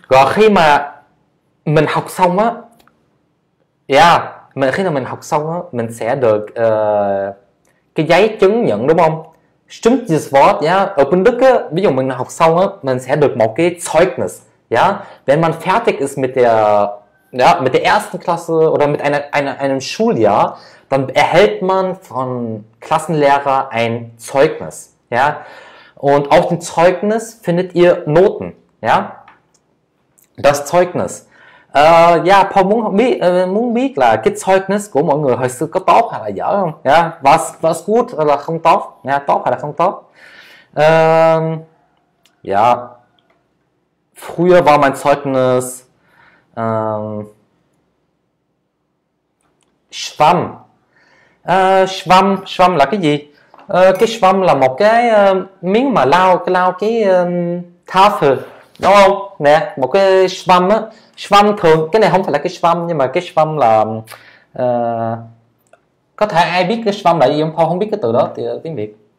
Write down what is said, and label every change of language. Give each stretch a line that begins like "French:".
Vietnamese: Khi mà mình học xong á, yeah, mình khi nào mình học xong á, mình sẽ được cái giấy chứng nhận đúng không? Chứng chỉ Wort, yeah. Ở bên Đức á, ví dụ mình học xong á, mình sẽ được một cái Zeugnis, yeah.
German: Wenn man fertig ist mit der, ja, mit der ersten Klasse oder mit einem Schuljahr, dann erhält man von Klassenlehrer ein Zeugnis, yeah. Und auf dem Zeugnis findet ihr Noten, yeah. Das Zeugnis.
Vietnamese: Ja, Paul muốn biết là cái Zeugnis của mọi người hồi xưa có tốt hay là dở không?
German: Ja, was gut
Vietnamese: hay là không tốt? Ja, tốt hay là không tốt?
German: Ja, früher war mein Zeugnis Schwamm.
Vietnamese: Schwamm là cái gì? Cái Schwamm là một cái miếng mà lau cái Tafel. Đúng không? Nè, một cái schwamm á. Schwamm thường, cái này không phải là cái schwamm, nhưng mà cái schwamm là có thể ai biết cái schwamm là gì không? Paul không biết cái từ đó thì tiếng Việt.